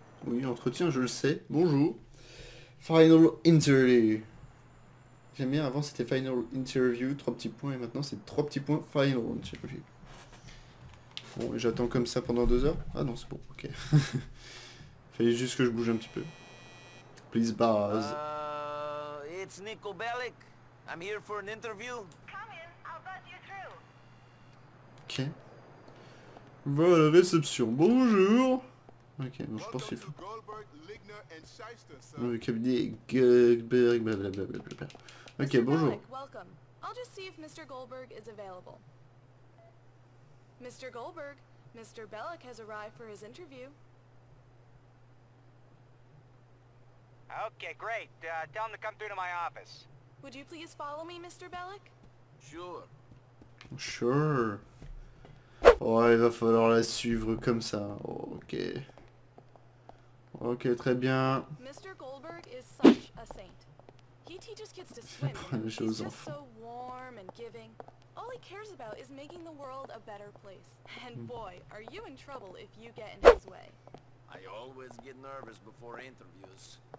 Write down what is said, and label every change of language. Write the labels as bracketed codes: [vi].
[fr] Oui, entretien, je le sais, bonjour. Final Interview. J'aime bien, avant c'était Final Interview, trois petits points, et maintenant c'est trois petits points, Final Interview. Bon, j'attends comme ça pendant 2 heures. Ah non, c'est bon, ok. Fallait juste que je bouge un petit peu. [en] Please, Buzz. It's Nico Bellic. I'm here for an interview. Come in, I'll buzz you through. [fr] Ok. Voilà la réception. Bonjour. Ok, bon, je pense qu'il faut. [en] Goldberg, Ligner and Shyster, sir. [fr] Le cabinet Goldberg, blablabla. [en] Ok, Mr. [fr] bonjour. [en] Malik, welcome. I'll just see if Mr. Goldberg is available. Mr. Goldberg, Mr. Bellic has arrived for his interview. Ok, great. Tell him to come through to my office. Would you please follow me, Mr. Bellic? Sure. Sure. [fr] Oh, il va falloir la suivre comme ça. Ok. Ok, très bien. [en] Mr. Goldberg is such a saint. He teaches kids to swim. He's just so warm and giving. All he cares about is making the world a better place. And boy, are you in trouble if you get in his way. I always get nervous before interviews.